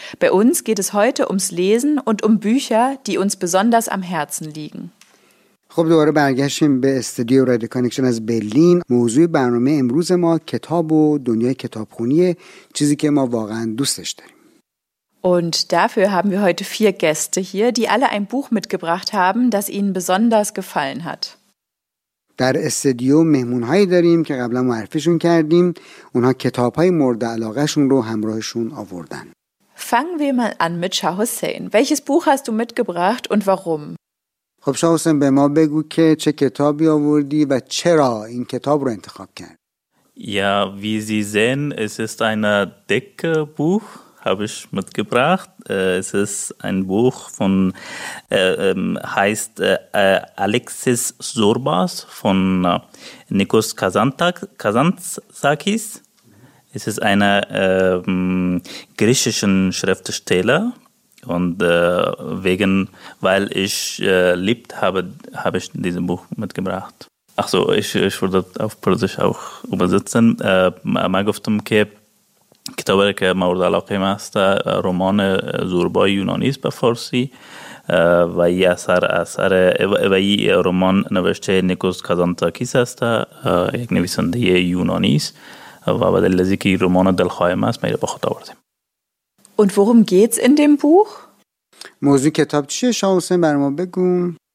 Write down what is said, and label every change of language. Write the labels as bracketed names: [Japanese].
[German] Bei uns geht es heute ums Lesen und um Bücher, die uns besonders am Herzen liegen. [Persian] خب دوباره برگشتیم به استودیو رادیو کانکشن از برلین. موضوع برنامه امروز ما کتاب و دنیای کتابخونیه، چیزی که ما واقعا دوستش داریم. [German] Und dafür haben wir heute vier Gäste hier, die alle ein Buch mitgebracht haben, das ihnen besonders gefallen hat. [Persian] در استودیو مهمونهایی داریم که قبلا معرفیشون کردیم. اونها کتابهای مورد علاقهشون رو همراهشون آوردن. [German] Fangen wir mal an mit Shah Hussein. Welches Buch hast du mitgebracht und warum? [Persian] خب Shah Hussein به ما بگو که چه کتابی آوردی و چرا این کتاب رو انتخاب کرد. [German] Ja, wie Sie sehen, es ist ein dickes Buch, habe ich mitgebracht. Es ist ein Buch von heißt Alexis Sorbas von Nikos Kazantzakis. Es ist einer griechischen Schriftsteller und weil ich liebt habe, habe ich dieses Buch mitgebracht. Ach so, ich würde auf Polnisch auch übersetzen. [Persian] Magoftumke کتابی که مورد علاقه من است رمان زوربای یونانی است به فارسی و یه اثر و یه رمان نوشته نیکوس کازانتاکیس است یک نویسنده یونانی است و به دلیل اینکه این رمان دلخواه من است میره به خود آوردیم [German] Und worum geht's in dem Buch? [Persian] موضوع کتاب چیه شما حسین برام بگو